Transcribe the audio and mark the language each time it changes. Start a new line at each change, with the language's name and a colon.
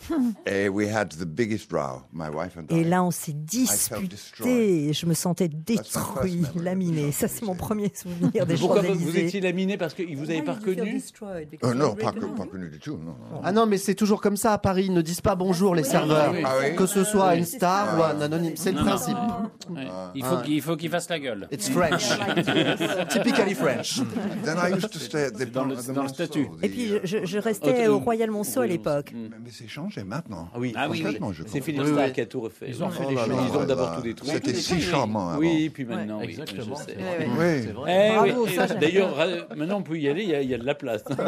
English: And we had the biggest row, my wife and I.
French: Et là, on s'est disputé. Je me sentais détruit, laminé. Ça, c'est mon premier souvenir des Champs-Élysées. Pourquoi vous étiez laminé? Parce qu'il vous avait pas reconnu? Non, pas reconnu du tout. Ah non, mais c'est toujours comme ça à Paris. Ils ne disent pas bonjour les serveurs, que ce soit une star ou un anonyme. C'est le principe. Il faut qu'il fasse la gueule.
English: It's French. Typically French. Then I used to stay at the statue.
French: Et puis je restais au Royal Monceau à l'époque. Mais c'est changé maintenant. Ah oui. C'est Philippe Stark qui a tout refait. Ils ont fait les choses. Ils ont d'abord tout détruit. C'était si charmant avant. Oui, puis maintenant. Exactement. C'est vrai. Bravo, ça. D'ailleurs, maintenant on peut y aller, il y a de la place.